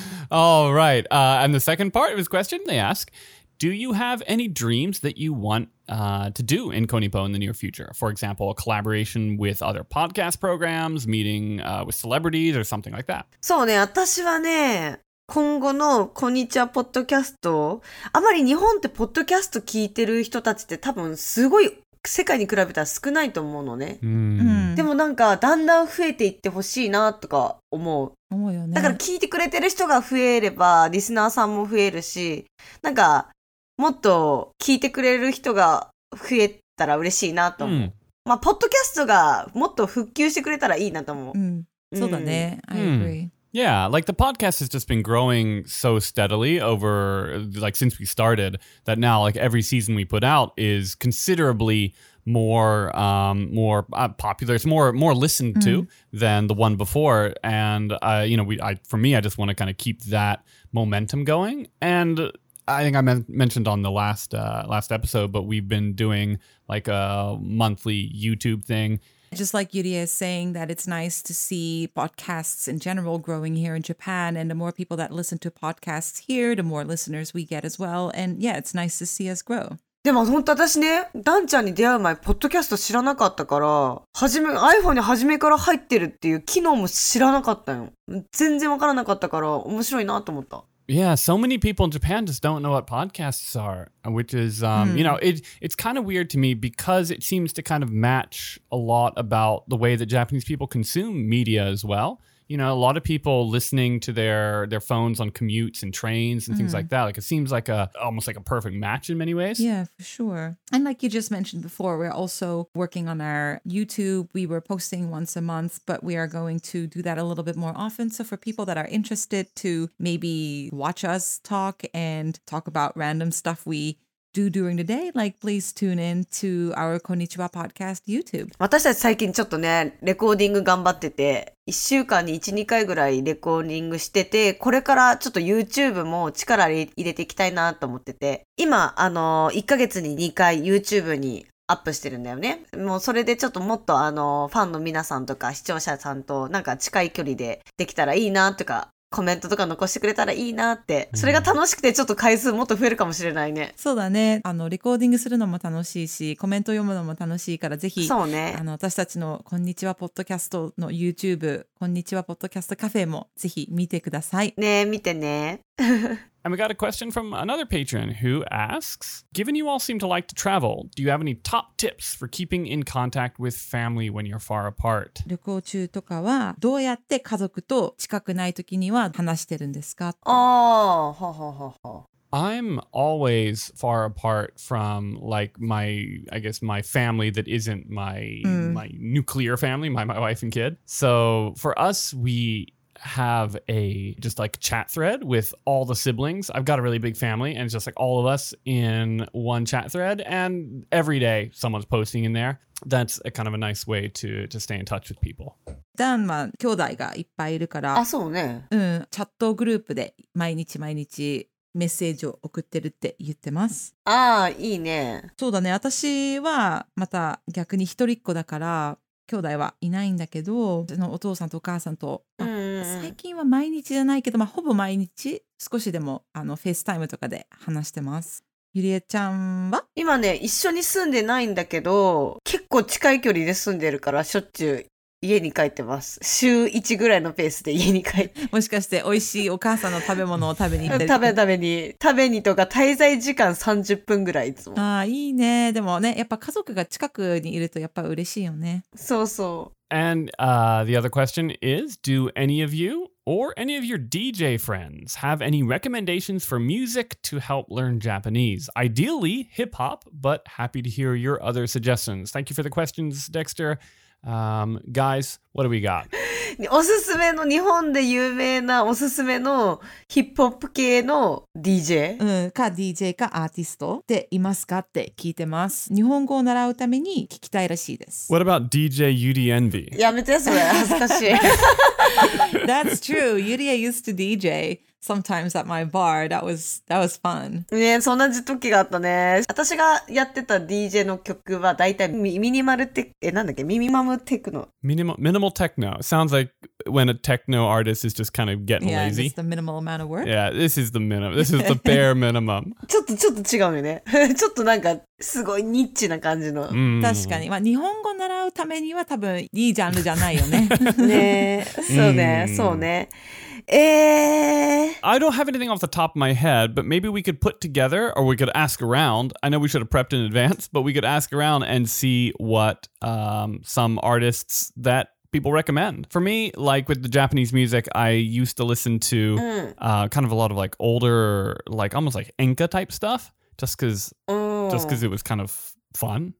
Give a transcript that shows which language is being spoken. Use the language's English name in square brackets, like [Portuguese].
[English] all right, and the second part of his question, they ask, Do you have any dreams that you wantto do in Konipo in the near future? For example, a collaboration with other podcast programs, meeting with celebrities or something like that. [Japanese] そうね、私はね、今後のこんにちはポッドキャスト、あまり日本ってポッドキャスト聞いてる人たちって多分すごい世界に比べたら少ないと思うのね。うん、でもなんかだんだん増えていってほしいなとか思う。思うよね。だから聞いてくれてる人が増えればリスナーさんも増えるし、なんかもっと聞いてくれる人が増えたら嬉しいなと思う。うん、まあポッドキャストがもっと復旧してくれたらいいなと思う。うん、そうだね。うん、 [English] I agree. Yeah, like the podcast has just been growing so steadily over, like since we started, that now like every season we put out is considerably more, more popular. It's more listened to than the one before. And you know, I just want to kind of keep that momentum going. And I think I mentioned on the last episode, but we've been doing like a monthly YouTube thing. Just like Yuria is saying that it's nice to see podcasts in general growing here in Japan. And the more people that listen to podcasts here, the more listeners we get as well. And yeah, it's nice to see us grow. [Japanese] でも本当私ね、ダンちゃんに出会う前、ポッドキャスト知らなかったから、iPhone に初めから入ってるっていう機能も知らなかったよ。全然わからなかったから、面白いなと思った。 [English] Yeah, so many people in Japan just don't know what podcasts are, which is, you know, it's kind of weird to me because it seems to kind of match a lot about the way that Japanese people consume media as well. You know, a lot of people listening to their phones on commutes and trains and things like that. Like, it seems like almost like a perfect match in many ways. Yeah, for sure. And like you just mentioned before, we're also working on our YouTube. We were posting once a month, but we are going to do that a little bit more often. So for people that are interested to maybe watch us talk and talk about random stuff we do during the day, like please tune in to our Konnichiwa podcast YouTube. [Japanese] 私たち最近ちょっとね、レコーディング頑張ってて、1週間に 1,2 回ぐらいレコーディングしてて、これからちょっと YouTube も力入れていきたいなと思ってて、今1ヶ月に2回 YouTube にアップしてるんだよね。もうそれでちょっともっとファンの皆さんとか視聴者さんとなんか近い距離でできたらいいなとか、コメントとか残してくれたらいいなって、それが楽しくてちょっと回数もっと増えるかもしれないね。そうだね。レコーディングするのも楽しいし、コメント読むのも楽しいから、ぜひ、そうね。私たちのこんにちはポッドキャストの YouTube、こんにちはポッドキャストカフェもぜひ見てください。ねえ、見てね。 [English] And we got a question from another patron who asks, Given you all seem to like to travel, do you have any top tips for keeping in contact with family when you're far apart? [Japanese] 旅行中とかはどうやって家族と近くない時には話してるんですか? Oh, ho, ho, ho, ho. [English] I'm always far apart from like my, I guess my family that isn't my, my nuclear family, my wife and kid. So for us, we... have a just like chat thread with all the siblings. I've got a really big family and it's just like all of us in one chat thread and every day someone's posting in there. That's a kind of a nice way to stay in touch with people. [Japanese] ダンは兄弟がいっぱいいるから、あ、そうね。うん、チャットグループで毎日毎日メッセージを送ってるって言ってます。ああ、いいね。そうだね。私はまた逆に一人っ子だから兄弟はいないんだけど、お父さんとお母さんと、最近は毎日じゃないけど、まあ、ほぼ毎日少しでもフェイスタイムとかで話してます。ゆりえちゃんは今ね一緒に住んでないんだけど、結構近い距離で住んでるからしょっちゅう家に帰ってます。週1ぐらいのペースで家に帰ってもしかして美味しいお母さんの食べ物を食べに行ってる食べにとか滞在時間30分ぐらいいつも。ああ、いいね。でもね、やっぱ家族が近くにいるとやっぱ嬉しいよね。そうそう。 [English] And the other question is, do any of you or any of your DJ friends have any recommendations for music to help learn Japanese? Ideally hip hop, but happy to hear your other suggestions. Thank you for the questions, DexterGuys, what do we got? [Japanese] おすすめの日本で有名なおすすめのヒップホップ系の DJ、か DJ かアーティストっていますかって聞いてます。日本語を習うために聞きたいらしいです。 [English] What about DJ Yuri Envy? [Japanese] やめてそれ、恥ずかしい。 [English] That's true. Yuri used to DJSometimes at my bar, that was fun. [Japanese] ね、そんな時があったね。私がやってた DJ の曲はだいたいミニマルテク、え、なんだっけ、ミニマムテクノ。 [English] Minimal techno. Sounds like when a techno artist is just kind of getting lazy. Yeah, just the minimal amount of work. Yeah, this is the minimum. This is the bare minimum. [Japanese] ちょっと違うよね。ちょっとなんかすごいニッチな感じの。確かに。まあ日本語習うためには多分いいジャンルじゃないよね。ね、そうね、そうね。 [English] I don't have anything off the top of my head, but maybe we could put together or we could ask around. I know we should have prepped in advance, but we could ask around and see what some artists that people recommend. For me, like with the Japanese music, I used to listen to kind of a lot of like older, like almost like Enka type stuff, just because it was kind of fun.